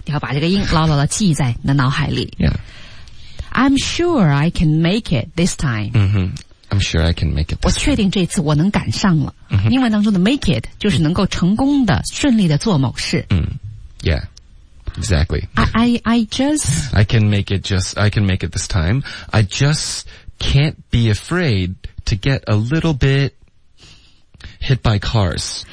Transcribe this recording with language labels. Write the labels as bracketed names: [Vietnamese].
[Chinese] 你要把这个音牢牢地记在你的脑海里。 [English] I'm sure I can make it this time. I'm sure I can make it. [Chinese] 我确定这次我能赶上了。英文当中的 make it 就是能够成功的顺利的做某事。 [English] Yeah. Exactly. I can make it this time. I just can't be afraid to get a little bit hit by cars.